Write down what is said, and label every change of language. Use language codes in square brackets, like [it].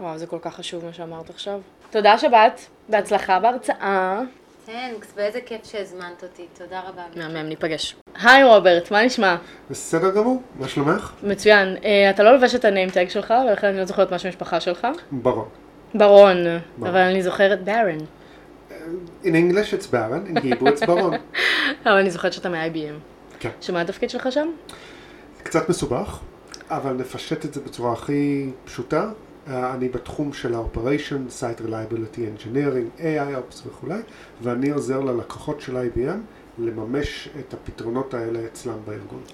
[he] וואו, זה כל כך חשוב מה שאמרת עכשיו. תודה שבאת, בהצלחה בהרצאה. [en] תנקס, [he] ואיזה כיף שהזמנת אותי, תודה רבה. מהמם, ניפגש. היי רוברט, מה נשמע? בסדר גמור, מה שלומך? מצוין, אתה לא לובש את [en] הנאים טאג [he] שלך ולכן אני לא זוכרת משהו משפחה שלך. ברון, אבל אני זוכרת ברון. [en] In English it's Baron, in Hebrew it's Baron. [he] אבל אני זוכרת שאתה מ-IBM. כן. שמה התפקיד שלך שם? קצת מסובך, אבל נפשט את זה בצורה הכי פשוטה. אני בתחום של ה-Operation, Site Reliability Engineering, AI Ops וכולי, ואני עוזר ללקוחות של IBM לממש את הפתרונות האלה אצלם בארגון.